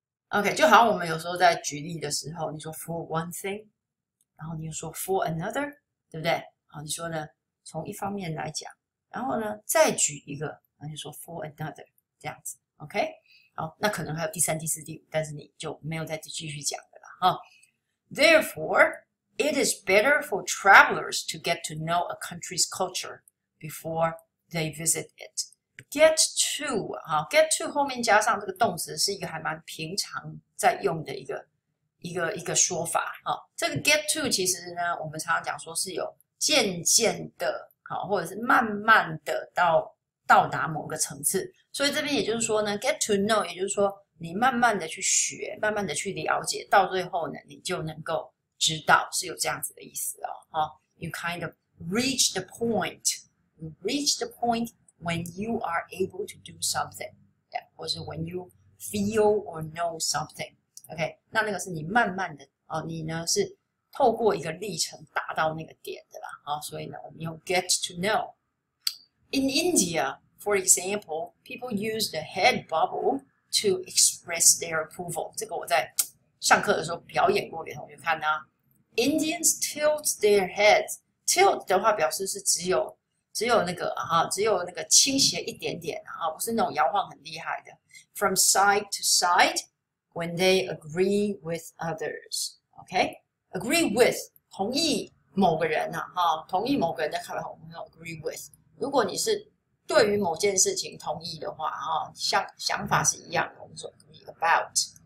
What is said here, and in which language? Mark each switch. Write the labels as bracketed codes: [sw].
[zh] OK，就好像我们有时候在举例的时候，你说 [en] for one thing， [zh] 然后你又说 [en] for another， [zh] 对不对？好，你说呢，从一方面来讲，然后呢再举一个，然后就说 [en] for another [zh] 这样子。 OK，好，那可能还有第三、第四、第五，但是你就没有再继续讲的了哈。 [en] Therefore, it is better for travelers to get to know a country's culture before they visit it. [zh] Get to 后面加上这个动词是一个还蛮平常在用的一个说法。这个 get to 其实呢，我们常常讲说是有渐渐的，好，或者是慢慢的到达某个层次。所以这边也就是说呢，get to know，也就是说，你慢慢的去学，慢慢的去了解，到最后呢，你就能够知道是有这样子的意思哦。 [en] You kind of reach the point when you are able to do something， [zh] 或是 [en] when you feel or know something。 [zh] OK，那个是你慢慢的哦，你呢是透过一个历程达到那个点的啦。哦，所以呢，我们用 [en] get to know。In India，for example，people use the head bubble to express their approval. [zh] 这个我在上课的时候表演过给同学看的啊。 [en] Indians tilt their heads. [zh] Tilt 的话表示是只有那个倾斜一点点啊，不是那种摇晃很厉害的。 [en] From side to side when they agree with others. [zh] OK，agree with 同意某个人呐，哈，同意某个人的看法，我们用 agree with。如果你是对于某件事情同意的话，啊，想法是一样的，我们说 agree about。